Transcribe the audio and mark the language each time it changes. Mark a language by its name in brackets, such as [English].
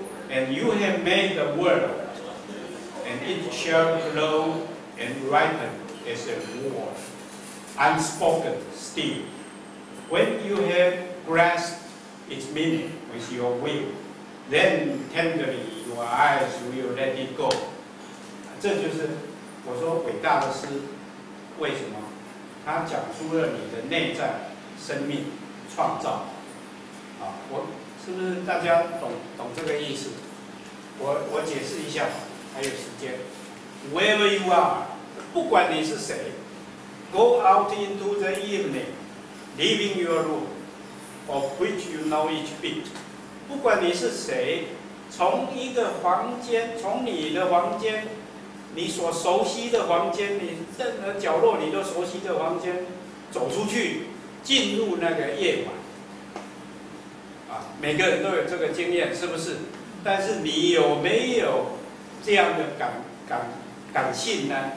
[English] And you have made the world, and it shall glow and ripen as a wolf, unspoken still. When you have grasped its meaning,With your will, then tenderly your eyes will let it go. [Chinese] 这就是我说伟大的诗，为什么？它讲出了你的内在生命创造。我是不是大家懂这个意思？我解释一下，还有时间。 [English] Wherever you are, [Chinese] 不管你是谁 [English] ，go out into the evening, leaving your room, of which you know each bit. [Chinese] 不管你是谁，从一个房间，从你的房间，你所熟悉的房间，你任何角落你都熟悉的房间，走出去，进入那个夜晚。每个人都有这个经验，是不是？但是你有没有这样的感性呢？